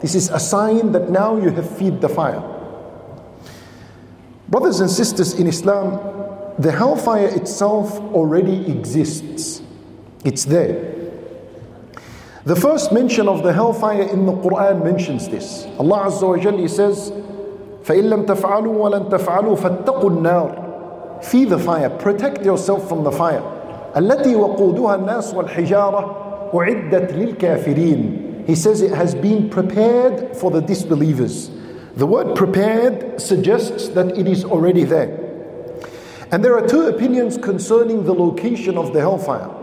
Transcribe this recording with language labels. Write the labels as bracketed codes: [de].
[en] This is a sign that now you have fed the fire. Brothers and sisters in Islam, the hellfire itself already exists. It's there. The first mention of the hellfire in the Quran mentions this. [ar] Allah Azza wa Jalla [en] says, [ar] فَإِن لَمْ تَفْعَلُوا وَلَن تَفْعَلُوا فَاتَّقُوا النَّارِ. [en] Feed the fire, protect yourself from the fire. [ar] الَّتِي وَقُودُهَا النَّاسُ وَالْحِجَارَةُ أُعِدَّتْ لِلْكَافِرِينَ. [en] He says it has been prepared for the disbelievers. The word prepared suggests that it is already there. And there are two opinions concerning the location of the hellfire.